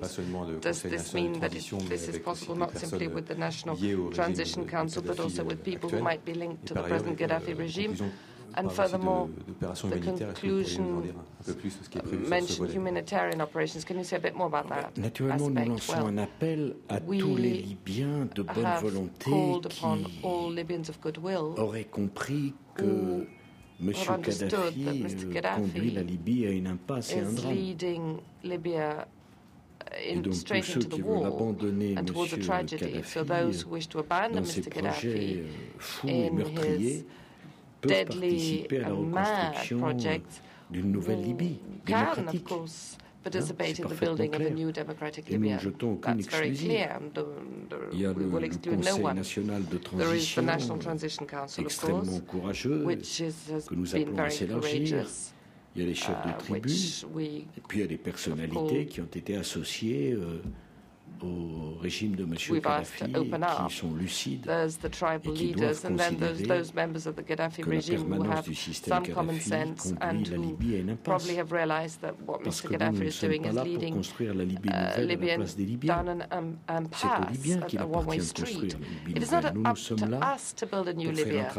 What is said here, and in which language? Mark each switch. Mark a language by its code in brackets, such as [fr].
[fr] Pas seulement le [en] Does this mean that this is possible not simply with the National Transition Council, but also with people who might be linked to the present Gaddafi regime? And furthermore, the conclusion mentioned humanitarian operations. Can you say a bit more about that aspect? [fr] Naturellement, nous lançons un appel à tous les Libyens de bonne volonté qui auraient compris que M. Gaddafi conduit la Libye à une impasse et un drame. [en] Leading Libya straight into the war and towards a tragedy. So those who wish to abandon Mr. Gaddafi in his deadly and mad projects can, of course, participate in the building of a new democratic Libya. That's very clear. We will exclude no one. There is the National Transition Council, of course, which has been very courageous. [fr] Il y a les chefs de tribu, et puis il y a des personnalités qui ont été associées au régime de M. Gaddafi, qui sont lucides. [en] There's the tribal leaders, and then there's those members of the Gaddafi regime who have some common sense and who probably have realized that what Mr. Gaddafi is doing is leading Libyan down an impasse, a one-way street. It is not up to us to build a new Libya.